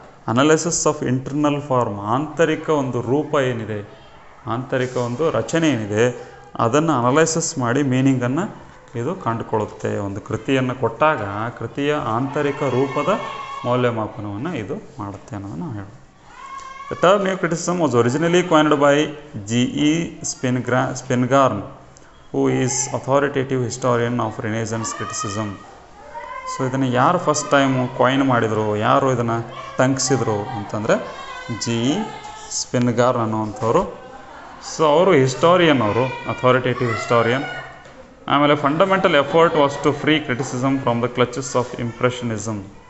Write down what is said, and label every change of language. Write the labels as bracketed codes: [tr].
[en] analysis of internal form, [kn] ಆಂತರಿಕ ಒಂದು ರೂಪ ಏನಿದೆ, ಆಂತರಿಕ ಒಂದು ರಚನೆ ಏನಿದೆ, ಅದನ್ನು ಅನಾಲಿಸಿಸ್ ಮಾಡಿ ಮೀನಿಂಗನ್ನು ಇದು ಕಂಡುಕೊಳ್ಳುತ್ತೆ. ಒಂದು ಕೃತಿಯನ್ನು ಕೊಟ್ಟಾಗ ಆ ಕೃತಿಯ ಆಂತರಿಕ ರೂಪದ ಮೌಲ್ಯಮಾಪನವನ್ನು ಇದು ಮಾಡುತ್ತೆ ಅನ್ನೋದನ್ನು ನಾವು ಹೇಳೋದು. [en] The term new criticism was originally coined by G.E. Spingarn, who is authoritative historian of Renaissance criticism. [kn] So, ಇದನ್ನು ಯಾರು ಫಸ್ಟ್ ಟೈಮು ಕಾಯಿನ್ ಮಾಡಿದರು, ಯಾರು ಇದನ್ನು ಟಂಕಿಸಿದರು ಅಂತಂದರೆ ಜಿ ಸ್ಪಿನ್ಗಾರ್ ಅನ್ನೋವಂಥವರು. ಸೊ ಅವರು ಹಿಸ್ಟೋರಿಯನ್, ಅವರು [en] Authoritative historian. [kn] ಆಮೇಲೆ [en] Fundamental effort was to free criticism from the clutches of impressionism.